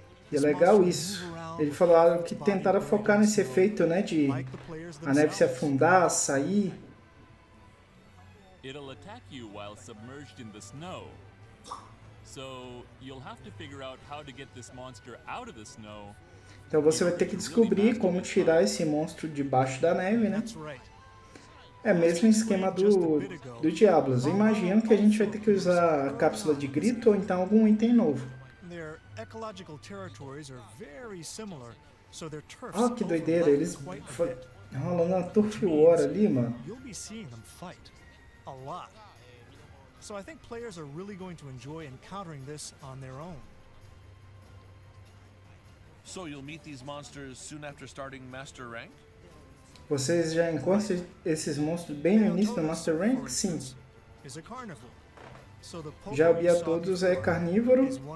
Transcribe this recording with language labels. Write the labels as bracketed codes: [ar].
[pt] E é legal isso. Ele falou que tentaram focar nesse efeito, né? De a neve se afundar, sair. [en] It'll attack you while submerged in the snow. So you'll have to figure out how to get this monster out of the snow. [pt] Então você vai ter que descobrir como tirar esse monstro debaixo da neve, né? É mesmo esquema do Diablos. Imagino que a gente vai ter que usar a cápsula de grito ou então algum item novo. [en] Their ecological territories are very similar, so their turf. [pt] Ah, que doideira, eles rolando uma turf war ali, mano. [en] You'll be seeing them fight. A lot. So I think players are really going to enjoy encountering this on their own. So you'll meet these monsters soon after starting Master Rank? [pt] Vocês já encontram esses monstros bem no início do Master Rank? Sim. [en] Is a carnivore. So the [pt] já vi a todos, é carnívoro.